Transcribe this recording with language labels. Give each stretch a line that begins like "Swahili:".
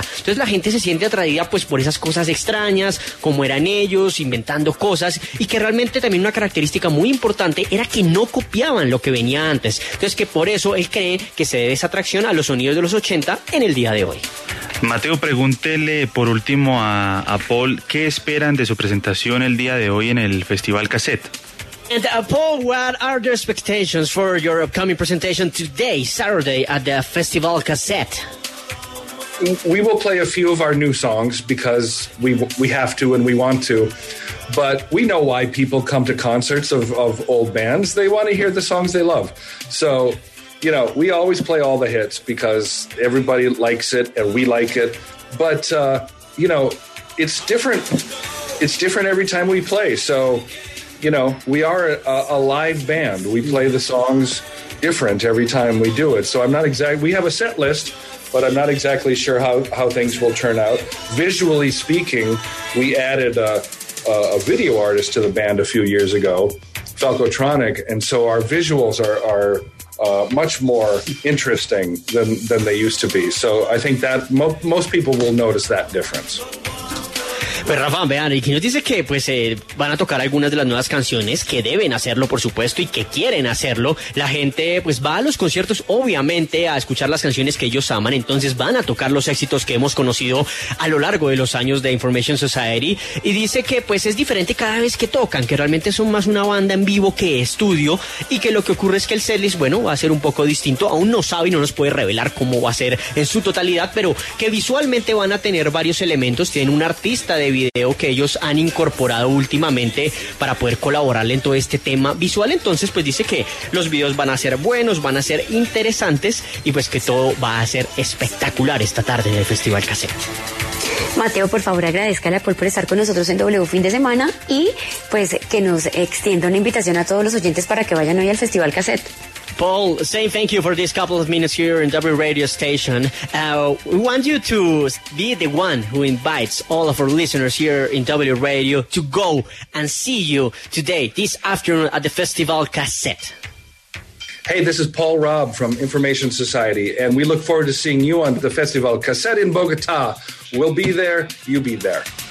Spanish: Entonces la gente se siente atraída pues por esas cosas extrañas, como eran ellos inventando cosas, y que realmente también una característica muy importante era que no copiaban lo que venía antes. Entonces que por eso él cree que se debe esa atracción a los sonidos de los 80 en el día de hoy. Mateo, pregúntele por último a Paul, ¿qué esperan de su presentación el día de hoy en el Festival Cassette?
English: And Paul, what are the expectations for your upcoming presentation today, Saturday, at the Festival Cassette? We will play a few of our new songs because we have to and we want to. But we know why people come to concerts of old bands. They want to hear the songs they love. So, you know, we always play all the hits because everybody likes it and we like it. But, you know, it's different. It's different every time we play. So, you know, we are a live band. We play the songs different every time we do it. So I'm not exactly, we have a set list, but I'm not exactly sure how things will turn out. Visually speaking, we added a video artist to the band a few years ago, Falcotronic. And so our visuals are much more interesting than they used to be. So I think that most people will notice that difference.
Spanish: Pues Rafa, vean, y nos dice que pues van a tocar algunas de las nuevas canciones, que deben hacerlo, por supuesto, y que quieren hacerlo. La gente pues va a los conciertos, obviamente, a escuchar las canciones que ellos aman, entonces van a tocar los éxitos que hemos conocido a lo largo de los años de Information Society, y dice que pues es diferente cada vez que tocan, que realmente son más una banda en vivo que estudio, y que lo que ocurre es que el setlist, bueno, va a ser un poco distinto. Aún no sabe y no nos puede revelar cómo va a ser en su totalidad, pero que visualmente van a tener varios elementos. Tienen un artista de video que ellos han incorporado últimamente para poder colaborarle en todo este tema visual. Entonces pues dice que los videos van a ser buenos, van a ser interesantes, y pues que todo va a ser espectacular esta tarde en el Festival Cassette. Mateo, por favor, agradezcale a Paul por estar con nosotros en W Fin de Semana, y pues que nos extienda una invitación a todos los oyentes para que vayan hoy al Festival Cassette.
English: Paul, saying thank you for this couple of minutes here in W Radio Station. We want you to be the one who invites all of our listeners here in W Radio to go and see you today, this afternoon, at the Festival Cassette. Hey, this is Paul Robb from Information Society, and we look forward to seeing you on the Festival Cassette in Bogota. We'll be there, you be there.